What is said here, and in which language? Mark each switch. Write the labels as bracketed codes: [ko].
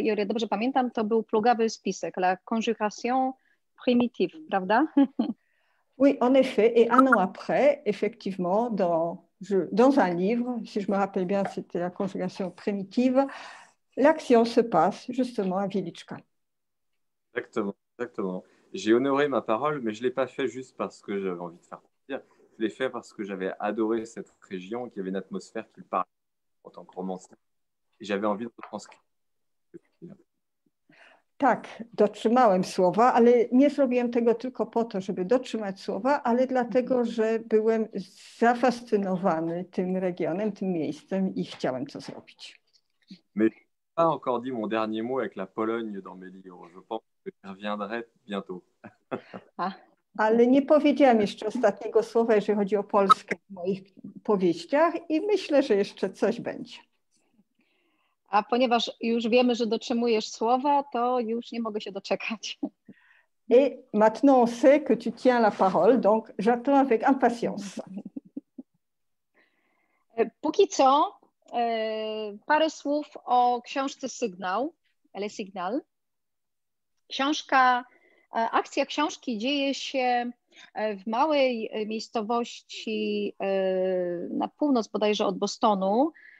[pl] I o ile dobrze pamiętam, to był plugawy spisek, La Conjuration Primitive, prawda? [fr] Oui, en effet, et un an après, effectivement, dans un livre, si je me rappelle bien, c'était La Conjugation Primitive, l'action se passe justement à Wieliczka. Exactement, exactement. J'ai honoré ma parole, mais je ne l'ai pas fait juste parce que j'avais envie de faire plaisir. je l'ai fait parce que j'avais adoré cette région, qu'il y avait une atmosphère qui me parlait en tant que romancier. Et j'avais envie de retranscrire. [pl] Tak, dotrzymałem słowa, ale nie zrobiłem tego tylko po to, żeby dotrzymać słowa, ale dlatego, że byłem zafascynowany tym regionem, tym miejscem i chciałem to zrobić. [fr] Mais j'ai pas encore dit mon dernier mot avec la Pologne dans mes livres. Je pense que j'y reviendrai bientôt. [pl] Ale nie powiedziałem jeszcze ostatniego słowa, jeżeli chodzi o Polskę w moich powieściach i myślę, że jeszcze coś będzie. A ponieważ już wiemy, że dotrzymujesz słowa, to już nie mogę się doczekać. [fr] Et maintenant on sait que tu tiens la parole, donc j'attends avec impatience. [pl] Póki co, parę słów o książce Sygnał, Le Signal. Książka, akcja książki dzieje się w małej miejscowości na północ bodajże od Bostonu.